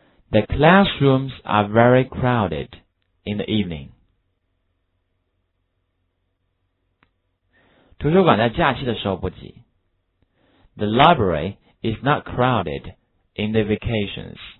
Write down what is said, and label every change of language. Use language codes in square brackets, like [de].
[en] The classrooms are very crowded in the evening. [zh] 图书馆在假期的时候不挤。 [en] The library is not crowded in the vacations.